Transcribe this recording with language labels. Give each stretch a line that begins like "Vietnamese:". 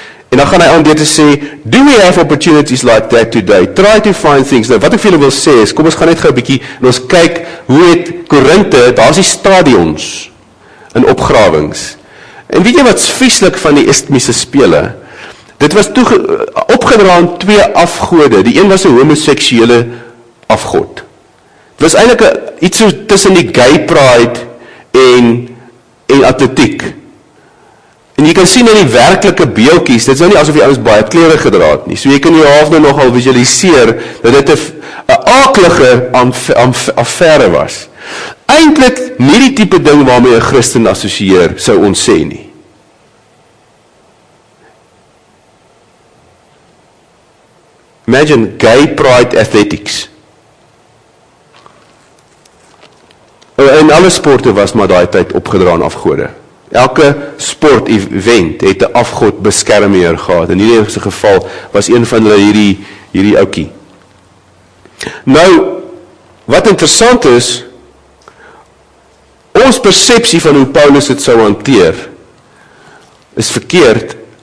Afrikaans: En dan gaan hy aan deur te sê,
English: do we have opportunities like that today? Try to find things.
Afrikaans: Nou, wat ek vir julle wil sê is, kom ons gaan net gou 'n bietjie, en ons kyk, hoe het Korinthe, daar is die stadions, in opgrawings. En weet jy wat's vieslik van die Estmiese spele? Dit was toe opgedra aan twee afgode. Die een was 'n homoseksuele afgod. Dit was eintlik iets so tussen die gay pride en atletiek. En jy kan sien in die werklike beeldjies, dit is nou nie asof die ouens baie klere gedra het nie. So jy kan jou half nou nogal visualiseer dat dit 'n aaklige affære was. Eintlik nie die tipe ding waarmee 'n Christen assosieer sou ons sê nie.
English: Imagine gay pride athletics.
Afrikaans: En alle sporte was maar daai tyd opgedra aan afgode. Elke sport event het 'n afgod beskermheer gehad. In hierdie geval was een van hulle hierdie ouetjie. Nou, wat interessant is, ons persepsie van hoe Paulus dit sou hanteer is verkeerd.